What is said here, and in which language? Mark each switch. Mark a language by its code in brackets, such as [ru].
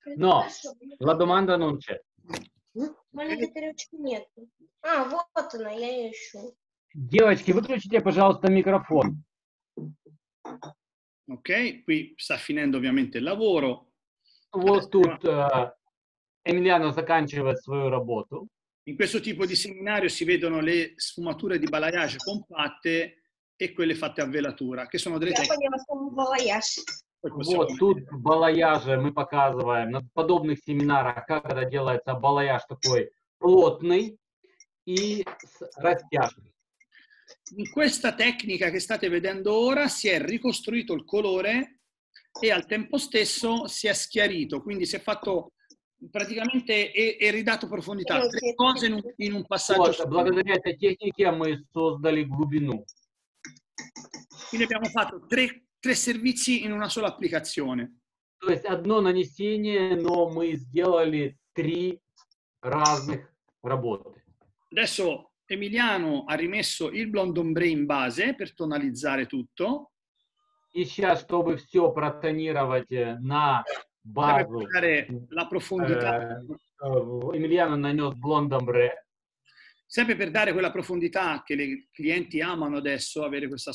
[it] Но, la domanda non c'è. [ru] Ma некоторые очки нет. А, вот она, я ее ищу. Девочки, выключите, пожалуйста, микрофон. [it] Ok, qui sta finendo ovviamente il lavoro. [ru] Вот тут Emiliano заканчивает свою работу. [it] In questo tipo di seminario si vedono le sfumature di balayage compatte e quelle fatte a velatura, che sono delle tecniche. Balayage. [ru] Вот тут balayage мы показываем на подобных семинарах, как это делается balayage такой плотный и с растяжкой. [it] In questa tecnica che state vedendo ora si è ricostruito il colore e al tempo stesso si è schiarito, quindi si è fatto praticamente è ridato profondità, tre cose in un passaggio. [ru] Вот, благодаря этой технике мы создали глубину. [it] Quindi abbiamo fatto tre servizi in una sola applicazione. [ru] То есть одно нанесение, но мы сделали три разных работы. [it] Adesso Emiliano ha rimesso il blond ombre in base per tonalizzare tutto. [ru] И сейчас, чтобы все протонировать на базу, [it] la profondità. [ru] Emiliano нанес блонд омбре. [it] Sempre per dare quella profondità che le clienti amano adesso, avere questa